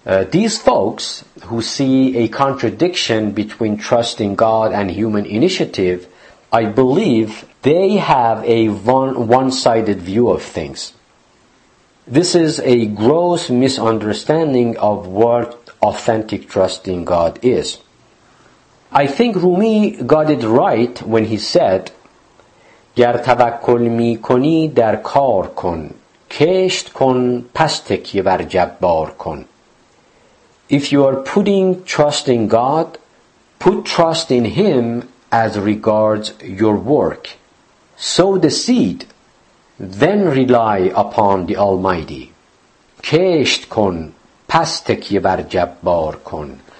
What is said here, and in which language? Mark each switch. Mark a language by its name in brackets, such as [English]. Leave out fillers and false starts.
[English] These folks who see a contradiction between trusting God and human initiative, I believe they have a one-sided view of things. This is a gross misunderstanding of what authentic trust in God is. I think Rumi got it right when he said, [Persian] گر توکل می کنی در کار کن، کشت کن پس تکی بر جبار کن. [English] If you are putting trust in God, put trust in Him as regards your work. Sow the seed, then rely upon the Almighty. [Persian] کشت کن پس تکی بر جبار کن.